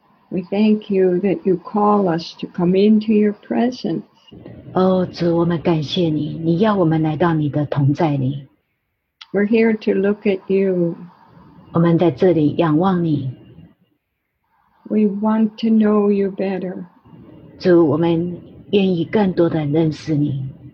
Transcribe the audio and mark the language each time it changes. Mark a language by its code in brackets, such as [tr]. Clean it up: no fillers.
[en] We thank you that you call us to come into your presence. [zh] 哦，主，我们感谢你，你要我们来到你的同在里。 [en] We're here to look at you. [zh] 我们在这里仰望你。 [en] We want to know you better. [zh] 主，我们愿意更多的认识你。